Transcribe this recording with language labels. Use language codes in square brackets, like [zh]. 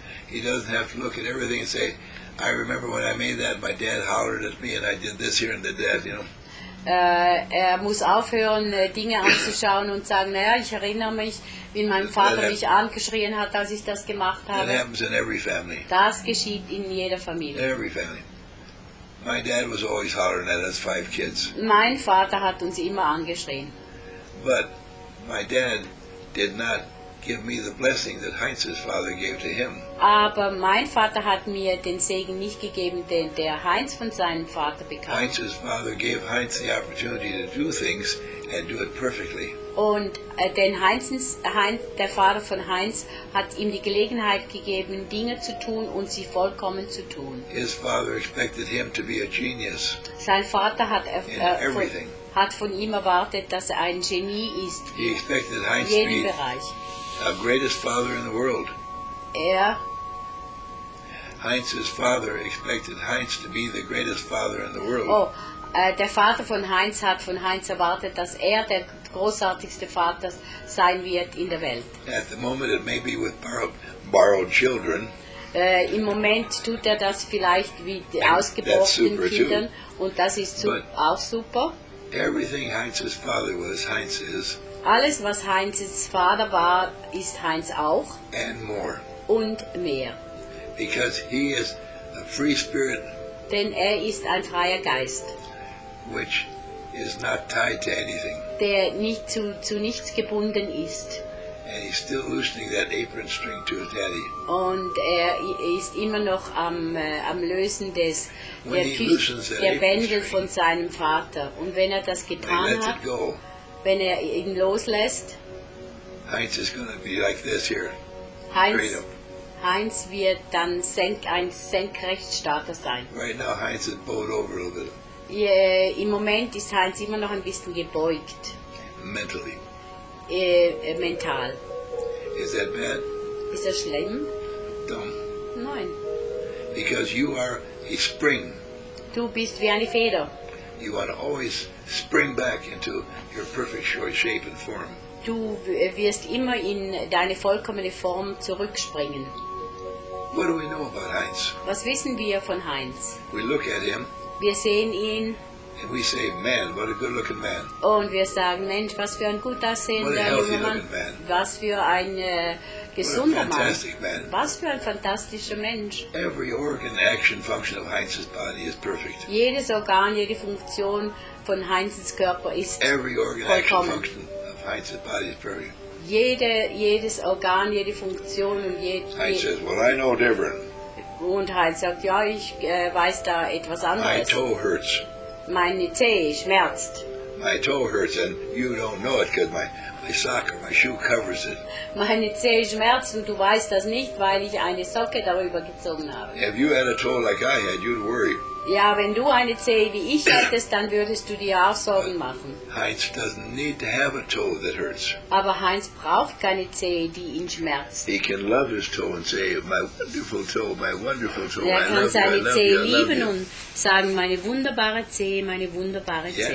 [en] He doesn't have to look at everything and say, I remember when I made that, my dad hollered at me and I did this here and did that, you know. [de] Er muss aufhören, Dinge anzuschauen und sagen, naja, ich erinnere mich, wie mein Vater mich angeschrien hat, als ich das gemacht habe. [en] That happens in every family. [de] Das geschieht in jeder Familie. [en] Every family. My dad was always hollering at us, five kids. [de] Mein Vater hat uns immer angeschrien. [en] But my dad did not give me the blessing that Heinz's father gave to him. [de] Aber mein Vater hat mir den Segen nicht gegeben, den der Heinz von seinem Vater bekam. [en] Heinz's father gave Heinz the opportunity to do things and do it perfectly. [de] Und denn der Vater von Heinz hat ihm die Gelegenheit gegeben, Dinge zu tun und sie vollkommen zu tun. [en] His father expected him to be a genius. [de] Sein Vater hat von ihm erwartet, dass er ein Genie ist. [en] He expected Heinz [de] in jedem Bereich. [en] The greatest father in the world. [de] Er. [en] Heinz's father expected Heinz to be the greatest father in the world. [de] Oh, der Vater von Heinz hat von Heinz erwartet, dass er der großartigste Vater sein wird in der Welt. [en] At the moment it may be with borrowed children. [de] Im Moment tut er das vielleicht mit ausgeborenen Kindern [en] too. [de] Und das ist auch super. [en] Everything Heinz's father was, Heinz is. [de] Alles, was Heinz's Vater war, ist Heinz auch. [en] And more. [de] Und mehr. [en] Because he is a free spirit. [de] Denn er ist ein freier Geist. [en] Which is not tied to anything. [de] Der nicht zu nichts gebunden ist. [en] And he's still loosening that apron string to his daddy. [de] Und er ist immer noch am Lösen des der Bänder [en] string, [de] von seinem Vater. Und wenn er das getan hat, wenn er ihn loslässt, [en] Heinz is gonna be like this here. [de] Heinz wird dann ein Senkrechtstarter sein. [en] Right now Heinz is bowed over a little bit. [de] Im Moment ist Heinz immer noch ein bisschen gebeugt. [en] Mentally. [de] Mental. [en] Is that bad? [de] Ist das schlimm? [en] Dumb. [de] Nein. [en] Because you are a spring. [de] Du bist wie eine Feder. [en] You want to always spring back into your perfect shape and form. [de] Du wirst immer in deine vollkommene Form zurückspringen. [en] What do we know about Heinz? [de] Was wissen wir von Heinz? [en] We look at him. [de] Wir sehen ihn. [en] And we say, man, what a good-looking man. [de] Und wir sagen, Mensch, was für ein gut aussehender junger Mann. Was für ein gesunder Mann. Was für ein fantastischer Mensch. [en] Every organ, action, function of Heinz's body is perfect. [de] Jedes Organ, jede Funktion von Heinz's Körper ist vollkommen. [en] Every organ, action, function of Heinz's body is perfect. [de] Jedes Organ, jede Funktion und [en] Heinz says, well, I know different. [de] Und Heinz sagt, ja, ich weiß da etwas anderes. [en] My toe hurts. [de] Meine Zehe schmerzt. [en] My toe hurts and you don't know it because my sock or my shoe covers it. [de] Meine Zehe schmerzt und du weißt das nicht, weil ich eine Socke darüber gezogen habe. [en] If you had a toe like I had, you'd worry. [de] Ja, wenn du eine Zehe wie ich hättest, dann würdest du dir auch Sorgen machen. [en] Heinz doesn't need to have a toe that hurts. [de] Aber Heinz braucht keine Zehe, die ihn schmerzt. [en] He can love his toe and say, my wonderful toe, my wonderful toe. [de] Er kann seine Zehe lieben [en] you. [de] Und sagen, meine wunderbare Zehe, meine wunderbare Zehe.